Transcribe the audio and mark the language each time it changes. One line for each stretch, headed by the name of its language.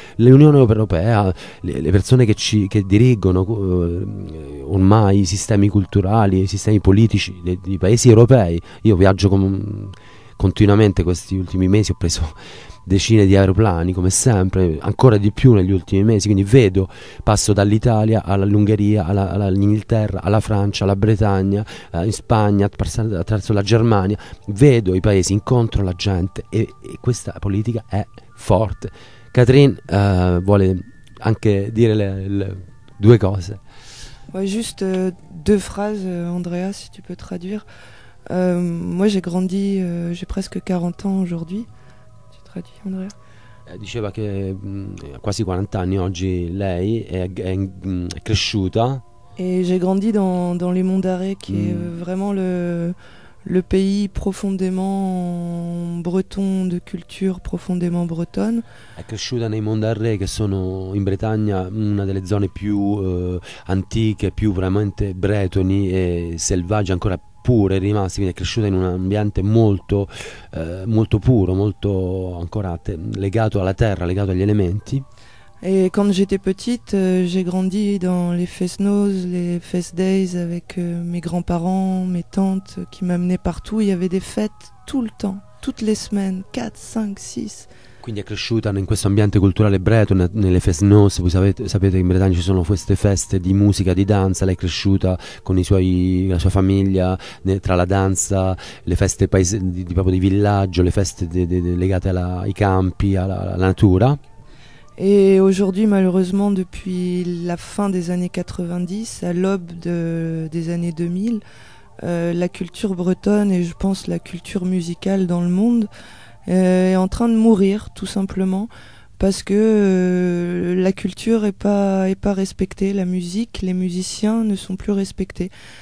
Italian: L'Unione Europea, le persone che dirigono ormai i sistemi culturali, i sistemi politici dei paesi europei, io viaggio continuamente questi ultimi mesi, ho preso decine di aeroplani come sempre, ancora di più negli ultimi mesi, quindi vedo, passo dall'Italia all'Ungheria, all'Inghilterra, alla Francia, alla Bretagna, in Spagna, attraverso la Germania, vedo i paesi, incontro la gente e questa politica è forte. Catherine vuole anche dire le due cose.
French: Ouais, juste deux phrases, Andrea, si tu peux traduire. Moi, j'ai grandi, j'ai presque 40 ans aujourd'hui. Tu traduis, Andrea?
Italian: Diceva che ha quasi 40 anni oggi, lei è cresciuta.
French: Et j'ai grandi dans les Monts d'Arrée, qui est vraiment le pays profondément breton, de culture profondément bretonne.
Italian: È cresciuta nei Monts d'Arrée, che sono in Bretagna una delle zone più antiche, più veramente bretoni e selvaggi, ancora pure rimasti, quindi è cresciuta in un ambiente molto molto puro, molto ancora legato alla terra, legato agli elementi.
French: Et quand j'étais petite, j'ai grandi dans les Fesnos, les Fesdays, avec mes grands-parents, mes tantes, qui m'amenaient partout. Il y avait des fêtes tout le temps, toutes les semaines, 4, 5, 6.
Italian: Quindi è cresciuta in questo ambiente culturale breton, nelle Fesnos. Voi sapete che in Bretagna ci sono queste feste di musica, di danza. Lei è cresciuta con la sua famiglia, tra la danza, le feste proprio di villaggio, le feste legate ai campi, alla natura.
French: Et aujourd'hui, malheureusement, depuis la fin des années 90, à l'aube des années 2000, la culture bretonne et je pense la culture musicale dans le monde est en train de mourir, tout simplement, parce que la culture est pas respectée, la musique, les musiciens ne sont plus respectés.